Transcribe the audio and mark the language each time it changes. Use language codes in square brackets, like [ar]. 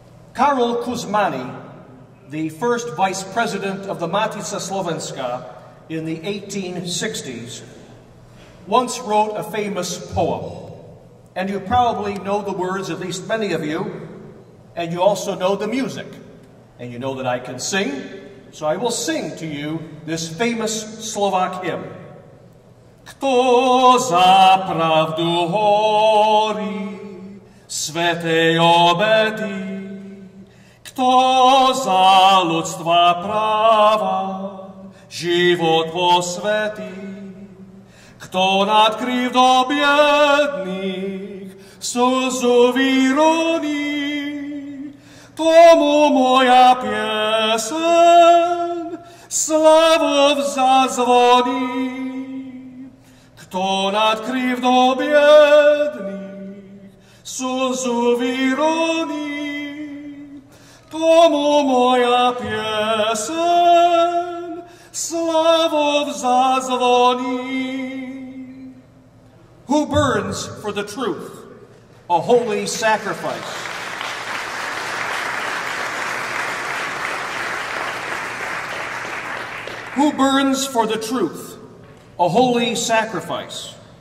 [en] Karol Kuzmani, the first vice president of the Matica Slovenska in the 1860s, once wrote a famous poem. And you probably know the words, at least many of you, and you also know the music. And you know that I can sing, so I will sing to you this famous Slovak hymn. [sk] Kto za pravdu hori, svetej obeti, kto za ľudstva prava, život posveti, kto nad krivdou biedných slzu vyroní, tomu moja pieseň slavou zazvoní. Kto nad krivdou biedných slzu vyroní, tomu moja pieseň slavou zazvoní. [en] Who burns for the truth, a holy sacrifice. Who burns for the truth, a holy sacrifice.